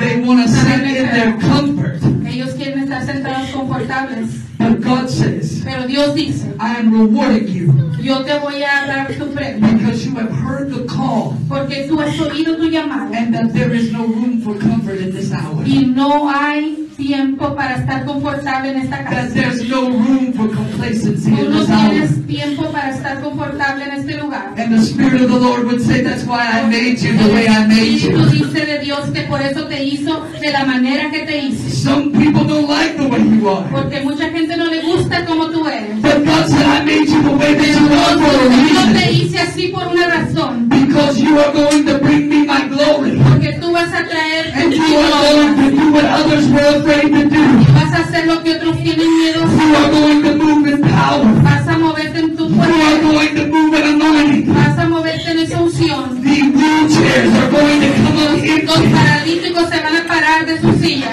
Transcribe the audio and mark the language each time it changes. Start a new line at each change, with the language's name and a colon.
English: They want to sit in their comfort.
Spanish: Ellos quieren estar sentados confortables.
English: But God says,
Spanish: pero Dios dice,
English: I am rewarding you.
Spanish: Yo te voy a dar tu premio.
English: Because you have heard the call.
Spanish: Porque tú has oído tu llamado.
English: And that there is no room for comfort in this hour.
Spanish: Y no hay tiempo para estar confortable en esta casa.
English: That there's no room for complacency
Spanish: tú
English: in this hour.
Spanish: No tienes tiempo para estar confortable en este lugar.
English: And the Spirit of the Lord would say, that's why I made you the way I made you.
Spanish: Y tú dices de Dios que por eso te hizo de la manera que te hizo.
English: Some people don't like the way you are.
Spanish: Porque mucha gente no le gusta como tú eres.
English: But God said, I made you the way that you are for a reason.
Spanish: Yo te hice así por una razón.
English: Because you are going to bring me my glory.
Spanish: Porque tú vas a traer
English: and you are
Spanish: gloria.
English: Going to do what others were afraid to do.
Spanish: Vas a hacer lo que otros tienen miedo.
English: You are going to move in power.
Spanish: Vas a moverte en tu poder.
English: You are going to move in anointing.
Spanish: Vas a moverte en esa unción.
English: The wheelchairs are going to come up empty.
Spanish: Los paralíticos se van a parar de su silla.